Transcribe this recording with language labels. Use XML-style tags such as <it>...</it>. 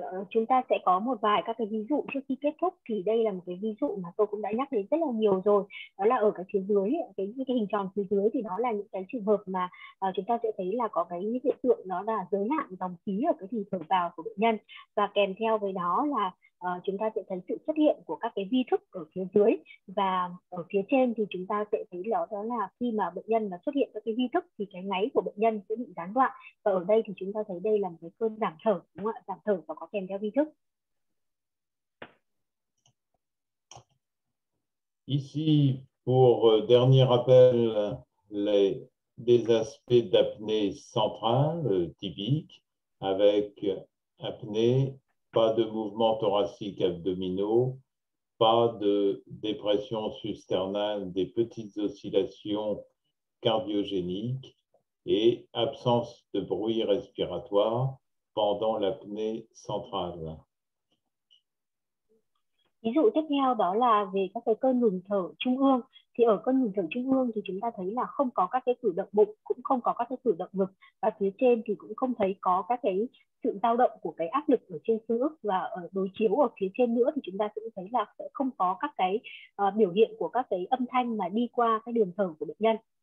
<vi>Chúng ta sẽ có một vài các cái ví dụ trước khi kết thúc. Thì đây là một cái ví dụ mà tôi cũng đã nhắc đến rất là nhiều rồi, đó là ở cái phía dưới, cái hình tròn phía dưới, thì đó là những cái trường hợp mà chúng ta sẽ thấy là có cái hiện tượng đó là giới hạn dòng khí ở cái đường thở vào của bệnh nhân, và kèm theo với đó là chúng ta sẽ thấy sự xuất hiện của các cái vi thức ở phía dưới. Và ở phía trên thì chúng ta sẽ thấy đó là khi mà bệnh nhân mà xuất hiện các cái vi thức thì cái ngáy của bệnh nhân sẽ bị gián đoạn. Và ở đây thì chúng ta thấy đây là một cái cơn giảm thở, đúng không ạ? Giảm thở và có kèm theo vi thức.</vi> <fr>Ici, pour dernier rappel, des aspects d'apnée centrale typique avec apnée. Pas de mouvements thoraciques abdominaux, pas de dépression susternale, des petites oscillations cardiogéniques et absence de bruit respiratoire pendant l'apnée centrale.</fr> <vi>Ví dụ tiếp theo đó là về các cái cơn ngừng thở trung ương. Thì ở cơn ngừng thở trung ương thì chúng ta thấy là không có các cái cử động bụng, cũng không có các cái cử động ngực, và phía trên thì cũng không thấy có các cái sự dao động của cái áp lực ở trên xương ức, và ở đối chiếu ở phía trên nữa thì chúng ta cũng thấy là sẽ không có các cái biểu hiện của các cái âm thanh mà đi qua cái đường thở của bệnh nhân.</vi>